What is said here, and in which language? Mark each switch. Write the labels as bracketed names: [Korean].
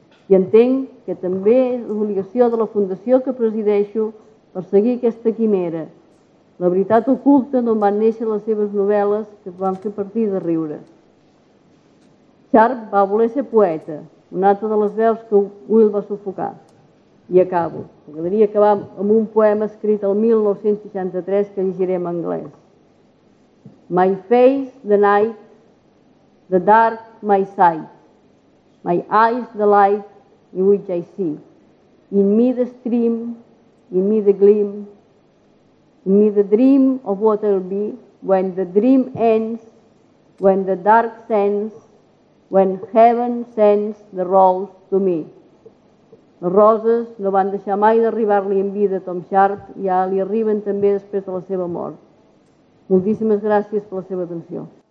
[Catalan] I entenc que també és obligació de la Fundació que presideixo perseguir aquesta quimera, la veritat oculta d'on van néixer les seves novel·les que es van fer a partir de riure. Sharp va voler ser poeta, una altra de les veus que Will va sufocar. I acabo. M'agradaria acabar amb un poema escrit el 1963 que llegiré en anglès. [English] My face the night, the dark my sight. My eyes the light in which I see. In me the stream, in me the gleam. In me the dream of what I'll be when the dream ends, when the dark sends, when heaven sends the rose to me. [Catalan] Les roses no van deixar mai d'arribar-li en vida a Tom Sharp i ja li arriben també després de la seva mort. Moltíssimes gràcies per la seva atenció.